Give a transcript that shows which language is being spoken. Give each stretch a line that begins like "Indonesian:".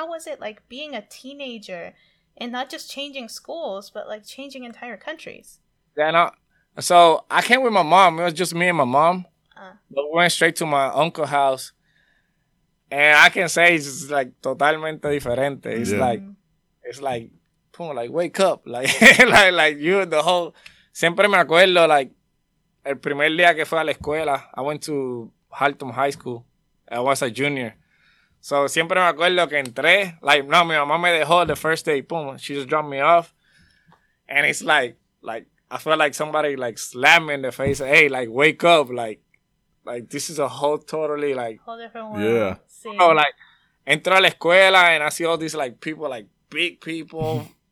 English: How was it like being a teenager and not just changing schools, but like changing entire countries? Yeah, no. So I came with my mom. It was just me and my mom. But we went straight to my uncle's house. And I can say it's like
Spanish: totalmente diferente.
English: It's like, boom, like wake up, like you, the whole.
Spanish: Siempre me acuerdo, like el primer día que fue a la escuela,
English: I went to Halton High School. I was a junior, so
Spanish: siempre me acuerdo que entré. Like no, mi mamá me dejó
English: the first day. Boom, she just dropped me off, and it's like I felt like somebody like slammed me in the face. Hey, like wake up, like this is a whole totally like whole different world. Yeah. So like,
Spanish: entré a la escuela
English: and I see all these like people, like big people.